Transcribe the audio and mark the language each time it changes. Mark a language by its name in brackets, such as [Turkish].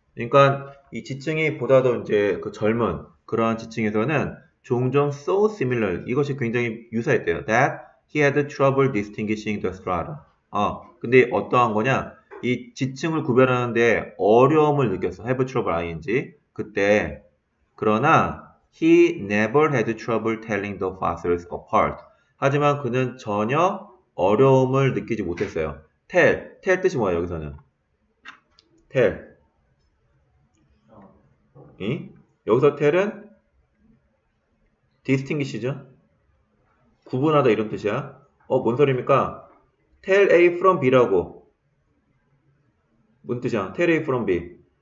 [Korean] 그러니까 이 지층이 보다 더 이제 그 젊은 그러한 지층에서는 종종 so similar 이것이 굉장히 유사했대요. [English] That he had trouble distinguishing the strata. 근데 어떠한 거냐? [Korean] 이 지층을 구별하는데 어려움을 느꼈어. [English] Have trouble ing. 그때 그러나 He never had trouble telling the fossils apart. [Korean] 하지만 그는 전혀 어려움을 느끼지 못했어요. Tell 뜻이 뭐야, 여기서는? Tell. 응? 여기서 tell은 distinguish죠? 구분하다 이런 뜻이야. 뭔 소리입니까? tell A from B 라고. 뭔 뜻이야? tell A from B.